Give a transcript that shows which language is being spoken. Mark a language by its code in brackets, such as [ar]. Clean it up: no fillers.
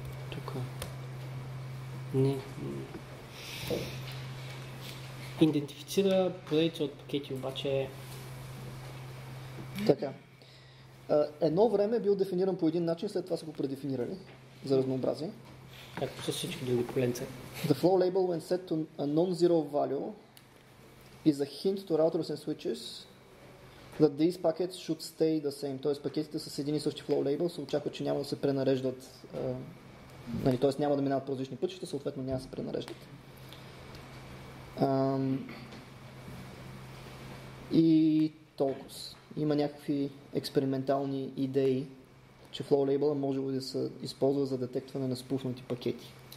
[bg] Тук. Не. Идентифицира поредица от пакети, обаче... Така. Едно време е бил дефиниран по един начин, след това са го предефинирали за разнообразие. Както са всички други коленца. [en] The flow label when set to a non-zero value is a hint to routers and switches that these packets should stay the same. [bg] Т.е. пакетите с един и същи flow label се очаква, че няма да се пренареждат. Нали, т.е. няма да минават по различни пътища, съответно няма да се пренареждат. И толкова. Има някакви експериментални идеи, че flow label може да се използва за детектване на спуснати пакети.